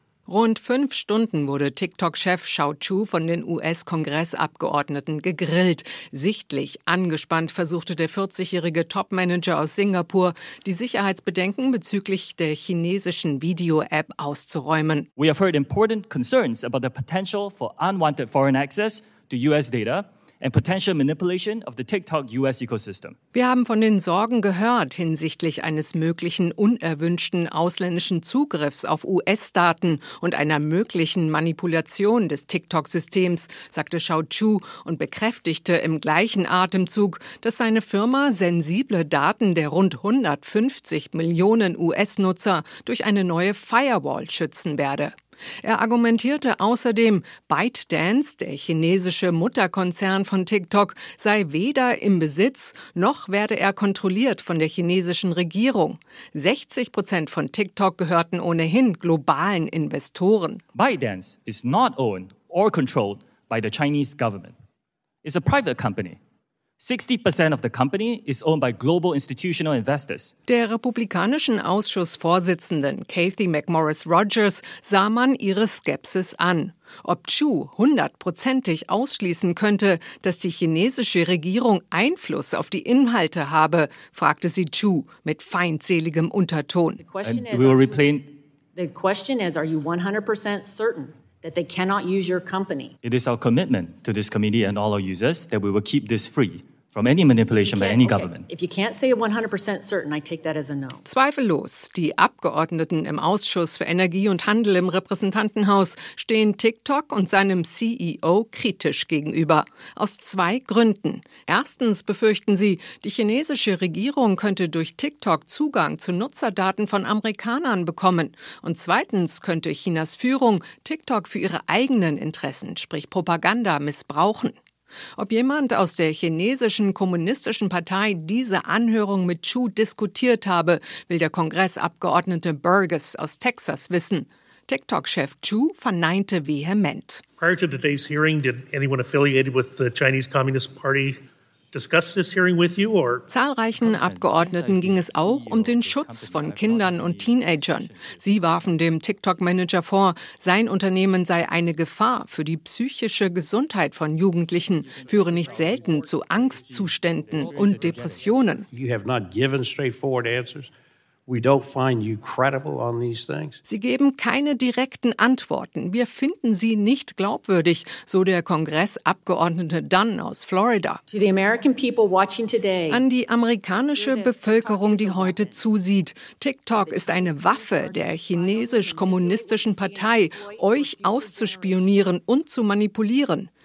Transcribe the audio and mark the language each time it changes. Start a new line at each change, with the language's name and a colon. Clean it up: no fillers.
German: Rund 5 Stunden wurde TikTok-Chef Xiao Chu von den US-Kongressabgeordneten gegrillt. Sichtlich angespannt versuchte der 40-jährige Top-Manager aus Singapur, die Sicherheitsbedenken bezüglich der chinesischen Video-App auszuräumen.
English: We have heard important concerns about the potential for unwanted foreign access to US data and potential manipulation of the TikTok US ecosystem.
German: Wir haben von den Sorgen gehört hinsichtlich eines möglichen unerwünschten ausländischen Zugriffs auf US-Daten und einer möglichen Manipulation des TikTok-Systems, sagte Xiao Chu und bekräftigte im gleichen Atemzug, dass seine Firma sensible Daten der rund 150 Millionen US-Nutzer durch eine neue Firewall schützen werde. Er argumentierte außerdem, ByteDance, der chinesische Mutterkonzern von TikTok, sei weder im Besitz noch werde er kontrolliert von der chinesischen Regierung. 60% von TikTok gehörten ohnehin globalen Investoren.
English: ByteDance is not owned or controlled by the Chinese government. It's a private company. 60% of the company is owned by global institutional investors.
German: Der republikanischen Ausschussvorsitzenden Kathy McMorris-Rogers sah man ihre Skepsis an. Ob Chu hundertprozentig ausschließen könnte, dass die chinesische Regierung Einfluss auf die Inhalte habe, fragte sie Chu mit feindseligem Unterton.
English: The question is, are you 100% certain that they cannot use your company? It is our commitment to this committee and all our users that we will keep this free from any manipulation by any government. If you can't say 100% certain, I take that as a no.
German: Zweifellos, die Abgeordneten im Ausschuss für Energie und Handel im Repräsentantenhaus stehen TikTok und seinem CEO kritisch gegenüber. Aus 2 Gründen. Erstens befürchten sie, die chinesische Regierung könnte durch TikTok Zugang zu Nutzerdaten von Amerikanern bekommen. Und zweitens könnte Chinas Führung TikTok für ihre eigenen Interessen, sprich Propaganda, missbrauchen. Ob jemand aus der chinesischen Kommunistischen Partei diese Anhörung mit Chu diskutiert habe, will der Kongressabgeordnete Burgess aus Texas wissen. TikTok-Chef Chu verneinte vehement.
English: Prior to today's hearing, did anyone affiliated with the Chinese Communist Party discuss this hearing with you or?
German: Zahlreichen Abgeordneten ging es auch um den Schutz von Kindern und Teenagern. Sie warfen dem TikTok-Manager vor, sein Unternehmen sei eine Gefahr für die psychische Gesundheit von Jugendlichen, führe nicht selten zu Angstzuständen und Depressionen.
English: You have not given straightforward answers. We don't find you credible on these things.
German: Sie geben keine direkten Antworten. Wir finden sie nicht glaubwürdig, so der Kongressabgeordnete Dunn aus Florida.
English: To the American people watching today.
German: An die amerikanische Bevölkerung, die heute zusieht. TikTok ist eine Waffe der chinesisch-kommunistischen Partei, euch auszuspionieren und zu manipulieren.